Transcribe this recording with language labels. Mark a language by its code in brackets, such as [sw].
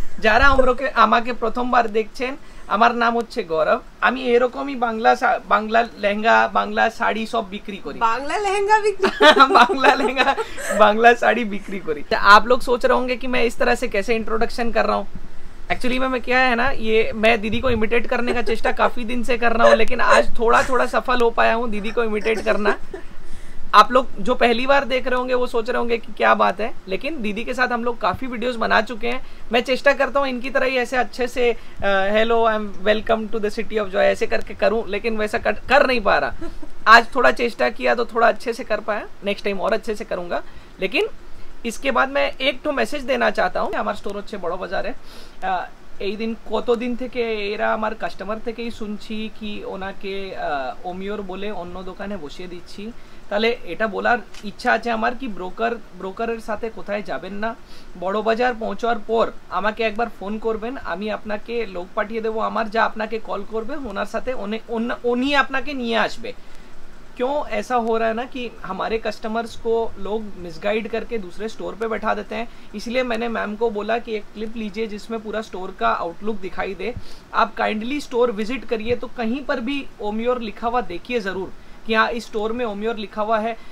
[bn] যারা আমরকে আমাকে প্রথমবার দেখছেন, আমার নাম হচ্ছে গৌরব। আমি এরকমই বাংলা বাংলা লেহেঙ্গা বাংলা শাড়ি সব বিক্রি করি, বাংলা লেহেঙ্গা বিক্রি, বাংলা লেহেঙ্গা বাংলা শাড়ি বিক্রি করি। [hi] আপ লোক সোচ রহে হোঙ্গে কি মে ইস তরহ সে কেসে ইন্ট্রোডাকশন কর রহা হুঁ। एक्चुअली मैं क्या है ना, ये मैं दीदी को इमिटेट करने का चेष्टा काफी दिन से कर रहा हूँ, लेकिन आज थोड़ा थोड़ा सफल हो पाया हूँ दीदी को इमिटेट करना। आप लोग जो पहली बार देख रहे होंगे वो सोच रहे होंगे कि क्या बात है, लेकिन दीदी के साथ हम लोग काफी वीडियोस बना चुके हैं। मैं चेष्टा करता हूँ इनकी तरह ही ऐसे अच्छे से [en] hello I am welcome to the city of joy [hi] ऐसे करके करूं, लेकिन वैसा कर नहीं पा रहा। आज थोड़ा चेष्टा किया तो थोड़ा अच्छे से कर पाया, नेक्स्ट टाइम और अच्छे से करूंगा। लेकिन इसके बाद मैं एक ठो मैसेज देना चाहता हूँ। हमारा स्टोर अच्छे बड़ो बाजार है, [bn] এই দিন কত দিন থেকে এরা আমার কাস্টমার থেকেই শুনছি কি ওনাকে ওমিওর বলে অন্য দোকানে বসিয়ে দিচ্ছি। তাহলে এটা বলার ইচ্ছা আছে আমার কি ব্রোকারের সাথে কোথায় যাবেন না, বড় বাজার পৌঁছার পর আমাকে একবার ফোন করবেন, আমি আপনাকে লোক পাঠিয়ে দেবো আমার যা আপনাকে কল করবে, ওনার সাথে উনি আপনাকে নিয়ে আসবে। [hi] क्यों ऐसा हो रहा है ना कि हमारे कस्टमर्स को लोग मिसगाइड करके दूसरे स्टोर पे बैठा देते हैं। इसलिए मैंने मैम को बोला कि एक क्लिप लीजिए जिसमें पूरा स्टोर का आउटलुक दिखाई दे, आप काइंडली स्टोर विजिट करिए तो कहीं पर भी ओमिओर लिखा हुआ देखिए ज़रूर कि हाँ इस स्टोर में ओमिओर लिखा हुआ है।